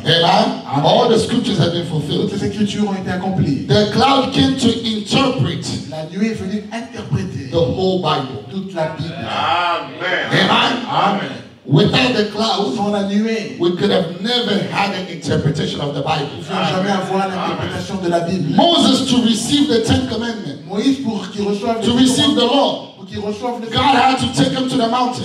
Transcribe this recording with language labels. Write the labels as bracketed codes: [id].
[en] Amen. Amen. All the scriptures have been fulfilled. [fr] Toutes les écritures ont été accomplies. [en] The cloud came to interpret. [fr] La nuit est venue interpréter. [en] The whole Bible. [fr] Toute la Bible. [en] Amen. Amen. Amen. Without the cloud, [fr] sans la nuée, [en] we could have never had an interpretation of the Bible. [fr] Nous n'aurions jamais avoir l'interprétation de la Bible. [en] Moses to receive the Ten Commandments. [fr] Moïse pour qu'il reçoive. [en] To receive the law. God had to take him to the mountain.